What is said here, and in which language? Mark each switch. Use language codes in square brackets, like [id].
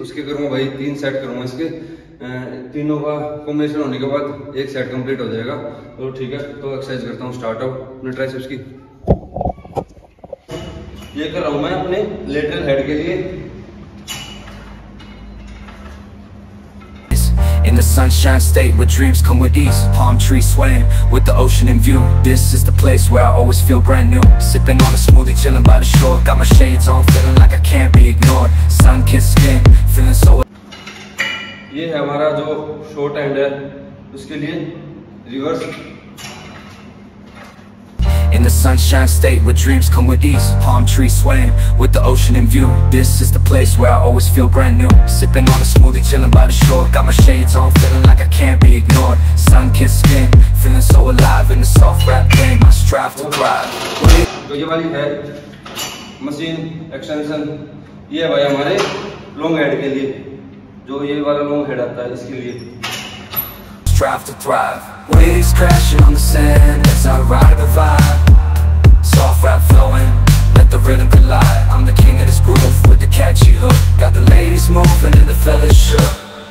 [hi] उसके करूँगा भाई तीन सेट करूँगा इसके, तीनों का कॉम्बिनेशन होने के बाद एक सेट कंप्लीट हो जाएगा। तो ठीक है, तो एक्सरसाइज करता हूँ स्टार्ट अपने ट्राइसेप्स की। ये कर रहा हूँ मैं अपने लेटरल हेड के लिए। [en] In the sunshine state where dreams come with ease. Palm trees swaying with the ocean in view. This is the place where I always feel brand new. Sipping on a smoothie, chilling by the shore. Got my shades on, feeling like I can't be ignored. Sun kissed skin, feeling so. [hi] ये है हमारा जो short and है, उसके लिए reverse. [en] In the sunshine state where dreams come with ease. Palm trees swaying with the ocean in view. This is the place where I always feel brand new. Sipping on a smoothie, chilling by the shore. Got my shades on, feeling like I can't be ignored. Sun-kissed skin, feeling so alive in the soft rap game. I strive to thrive. [hi] तो ये वाली है machine extension. ये है भाई हमारे lateral head के लिए, जो ये वाला लॉन्ग हेड आता है इसके लिए। [en] Strive to thrive. Waves crashing on the sand as I ride the vibe. Soft rap flowing, let the rhythm collide. I'm the king of this groove with the catchy hook. Got the ladies moving and the fellas shook.